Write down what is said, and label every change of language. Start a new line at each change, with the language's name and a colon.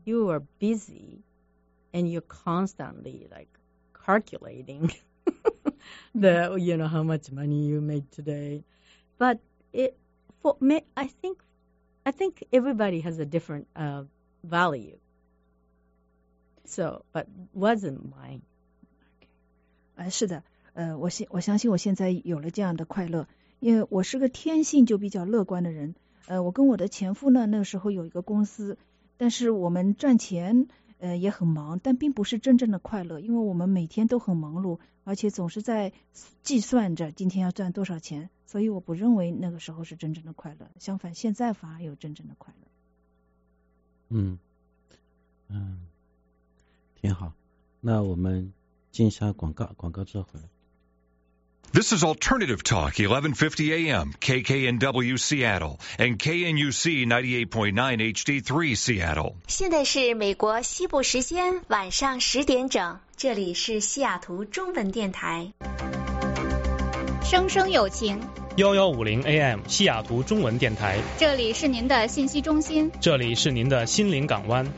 English: You are busy and you're constantly like calculating how much money you made today. But I think everybody has a different value. So, but wasn't mine. Okay.
Chinese: 是的，我相信我现在有了这样的快乐，因为我是个天性就比较乐观的人。我跟我的前夫呢，那个时候有一个公司，但是我们赚钱，也很忙，但并不是真正的快乐，因为我们每天都很忙碌，而且总是在计算着今天要赚多少钱，所以我不认为那个时候是真正的快乐。相反，现在反而有真正的快乐。挺好，那我们进一下广告之后回来。
English: This is Alternative Talk, 1150 AM, KKNW Seattle, and KNUC 98.9 HD3 Seattle.
Chinese: 现在是美国西部时间晚上10点整，这里是西雅图中文电台。声声有情， 1150 AM 西雅图中文电台，这里是您的信息中心，这里是您的心灵港湾，